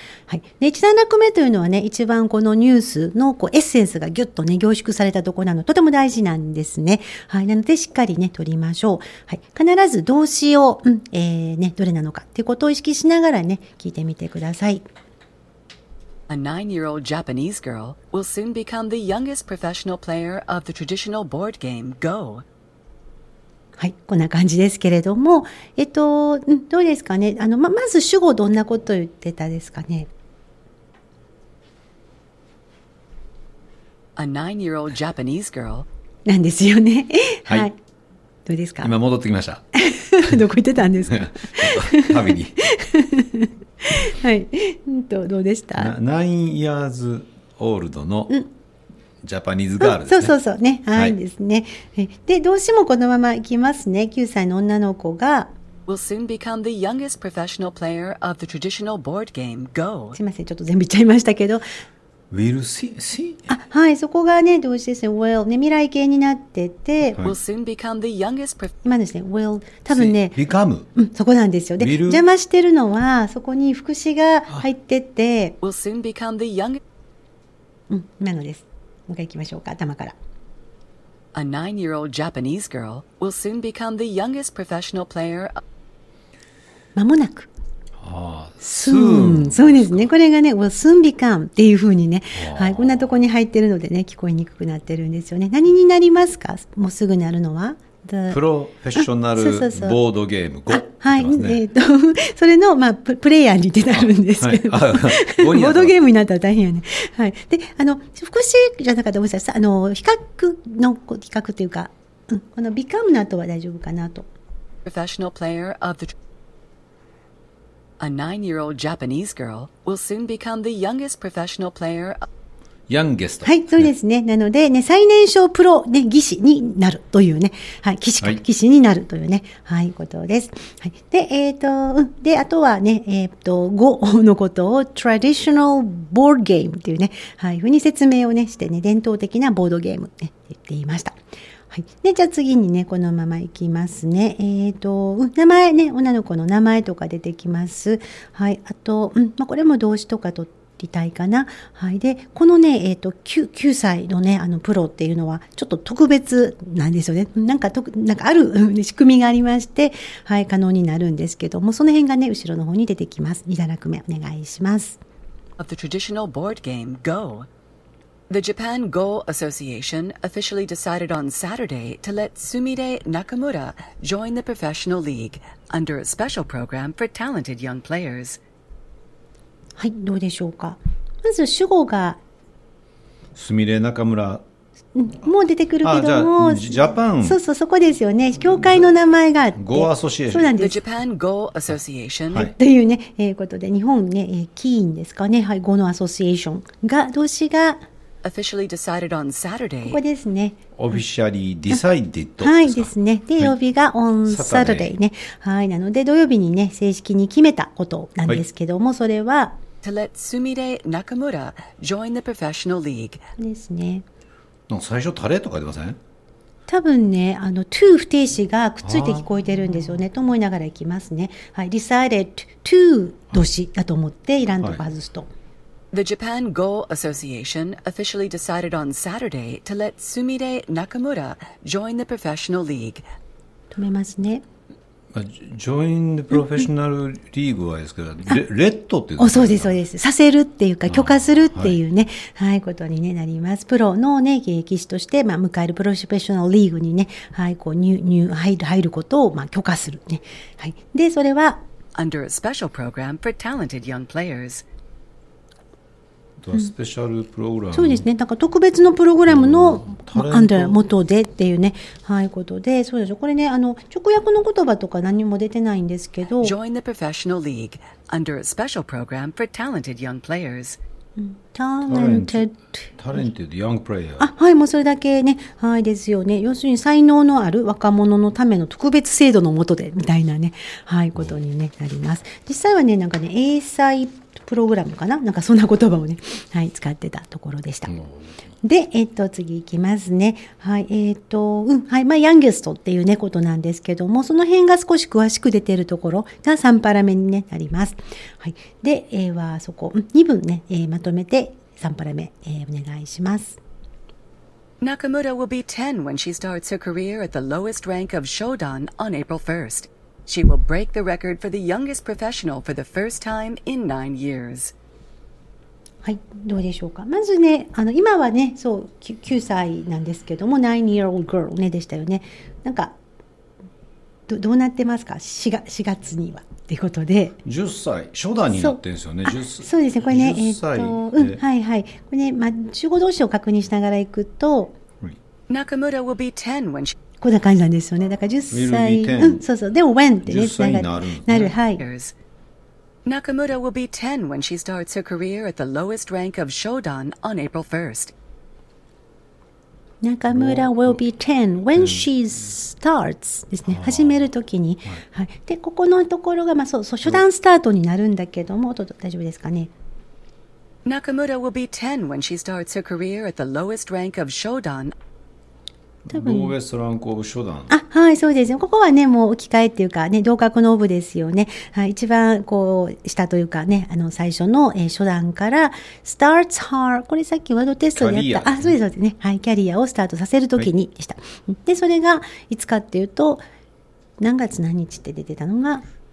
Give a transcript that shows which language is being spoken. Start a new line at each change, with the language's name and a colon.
Japanese: はい、で1段落目というのはね、一番このニュースのこうエッセンスがギュッとね、凝縮されたところなので、とても大事なんですね。はい、なのでしっかりね、取りましょう。はい、必ず動詞を、どれなのかっていうことを意識しながらね、聞いてみてください。
English: A nine-year-old Japanese girl will soon become the youngest professional player of the traditional board game Go.
Japanese: はい、こんな感じですけれども、どうですかね。まず主語どんなこと言ってたですかね。
English: A nine-year-old Japanese girl.
Japanese: なんですよね。はい。はい、どうですか。今戻ってきました。どこ行ってたんですか。ちょっと旅に。はい、どうでした。
English: 9 years old のジャパニーズガール
Japanese: ですね。うん、そうそうそうね、はい、はい、ですね。で、動詞もこのままいきますね。 9歳の女の子が
English: will soon become the youngest professional player of the traditional board game Go。
Japanese: すみません、ちょっと全部言っちゃいましたけど。
English: Will see.
Japanese: あ、はい、そこがね、動詞ですね。Will ね、未来形になってて、
English: Will soon become the youngest professional.
Japanese: 今ですね。Will 多分ね、
English: become。
Japanese: うん、そこなんですよ。で、Will、邪魔してるのはそこに副詞が入ってて、
English: Will soon become the youngest。
Japanese: うん、今のです。もう一回いきましょうか。頭から。
English: A nine-year-old Japanese girl will soon become the youngest professional player.
Japanese: まもなく。
English: ああ、soon、
Japanese: そうですね。これがね、
English: will soon become
Japanese: っていう風にね、はい、こんなとこに入ってるのでね、聞こえにくくなってるんですよね。何になりますか？もうすぐなるのは、
English: the、プロフェッショナルボードゲーム、そうそうそう、Go。
Japanese: はい、それの、まあ、プレイヤーに出てるんですけど、はい、ボードゲームになったら大変やね。はい、で、副詞じゃなかったら、比較というか、うん、この become の後は大丈夫かなと。
English: Professional player of theA nine-year-old Japanese girl will soon become the youngest professional player. Youngest.
Japanese: はい、そうですね。なので、ね、最年少プロ、ね、棋士になるというね。はい、棋士になるというね。はい、ことです。はい、で、で、あとはね、語のことを
English: traditional board game
Japanese: というね。はい、ふうに説明をね、してね、伝統的なボードゲームって言っていました。はい、でじゃあ次にね、このまま行きますね。名前ね、女の子の名前とか出てきます。はい、あと、うん、まあ、これも動詞とか取りたいかな。はい、で、このね、9歳のね、プロっていうのは、ちょっと特別なんですよね。なんかある仕組みがありまして、はい、可能になるんですけども、その辺がね、後ろの方に出てきます。2段落目、お願いします。
English: Of the traditional board game, Go. The Japan Go Association officially decided on Saturday to let Sumire Nakamura join the professional league under a special program for talented young players.
Japanese: はい、どうでしょうか。まず主語が
English: Sumire Nakamura
Japanese: もう出てくるけども、
English: ジャパン、
Japanese: そうそう、そこですよね、協会の名前があって、
English: ゴーアソシエーション、
Japanese: そうなんです、
English: The Japan Go Association、
Japanese: はい、というね、ことで日本ね、キーンですかね、はい、ゴーのアソシエーションが、動詞が
English: Officially decided on Saturday、
Japanese: ここですね、
English: オフィシャリーディサイデッド、
Japanese: はいですね、で、曜日が
English: On Saturday
Japanese: ね、はい、なので土曜日にね、正式に決めたことなんですけども、はい、それは
English: To let Sumire Nakamura join the professional league.
Japanese: ですね。なんか最初タレとか出ません？多分ね、あの to 不定詞がくっついて聞こえてるんですよね。と思いながらいきますね。はい、
English: decided to
Japanese: 動詞だと思って、はい、いらんとこ外すと。
English: The Japan Go Association officially decided on Saturday to let Sumire Nakamura join the professional league.
Japanese: 止めますね。ジョインプロフェッショナルリーグはですけど、レッドっていうか、そうです、そうです。させるっていうか、許可するっていうね、はい、はい、ことに、ね、なります。プロのね、現役士として、まあ、迎えるプロフェッショナルリーグにね、はい、こう、入ることを、まあ、許可するね。はい。で、それは、
English: Under a special program for talented young players. スペシャルプログラム、
Japanese: うん、そうですね、なんか特別のプログラムの元でっていうね、はい、ことで、そうでしょ、これね、あの直訳の言葉とか何も出てないんですけど、
English: Join the professional league under a special program for talented young players、う
Japanese: ん、
English: talented young players、
Japanese: あ、はい、もうそれだけね、はい、ですよね、要するに才能のある若者のための特別制度の元でみたいなね、はい、ことに、ね、なります。実際はね、なんかね、英才プログラムかな、なんかそんな言葉をね、はい、使ってたところでした。で、次いきますね。はい、うん、はい、まあ、ヤングストっていうね、ことなんですけども、その辺が少し詳しく出てるところが3パラ目に、ね、なります。はい、で、は、そこ、2分ね、まとめて3パラ目、お願いします。
English: Nakamura will be 10 when she starts her career at the lowest rank of Shodan on April 1st. She will break the record for the youngest professional for the first time in 9 years.
Japanese: はい、どうでしょうか。まずね、あの今はね、そう 9歳なんですけども、
English: 9 year old girl
Japanese: ねでしたよね。なんか どうなってますか。 4月にはってことで。 10歳、初段になってるんですよね。 10歳。そうですね。これね、10歳、うん、はいはい。これね、まあ、主語動詞を確認しながらいくと、
English: Nakamura will be 10 when she...
Japanese: こんな感じなんですよね。だから10歳、うん、そうそう、でも when ってね、 10歳になる、なる、はい。
English: Nakamura will be 10 when she starts her career at the lowest rank of Shodan on April 1st. Nakamura will be 10 when she starts
Japanese: ですね。始めるときに、はい。で、ここのところが、まあ、そう初段スタートになるんだけども、大丈夫ですかね。
English: Nakamura will be 10 when she starts her career at the lowest rank of Shodan. ローベストランクオブ初段、
Japanese: あ、はい、そうですね、ここはね、もう置き換えっていうかね、同格のオブですよね、はい、一番こう下というかね、あの最初の、初段から
English: starts her、
Japanese: これさっきワードテストでやった、ね、あ、そうですね、はい、キャリアをスタートさせるときにでした、はい、でそれがいつかっていうと、何月何日って出てたのが